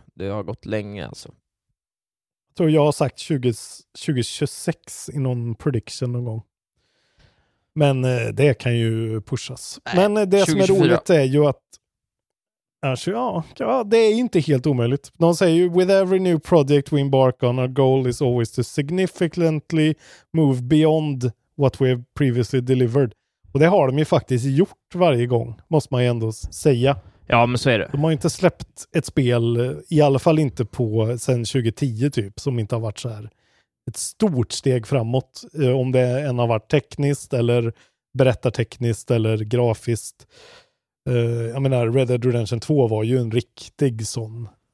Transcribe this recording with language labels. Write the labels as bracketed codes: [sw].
[sv] Det har gått länge alltså. Jag tror jag har sagt 2026 i någon prediction någon gång. Men det kan ju pushas. Nej, men det 2024. Som är roligt är ju att ja, det är inte helt omöjligt. [en] De säger ju, with every new project we embark on, our goal is always to significantly move beyond what we have previously delivered. [sv] Och det har de ju faktiskt gjort varje gång, måste man ju ändå säga. Ja, men så är det. De har ju inte släppt ett spel, i alla fall inte på sen 2010 typ, som inte har varit så här ett stort steg framåt. Om det än har varit tekniskt eller berättartekniskt eller grafiskt. Jag menar, Red Dead Redemption 2 var ju en riktig sån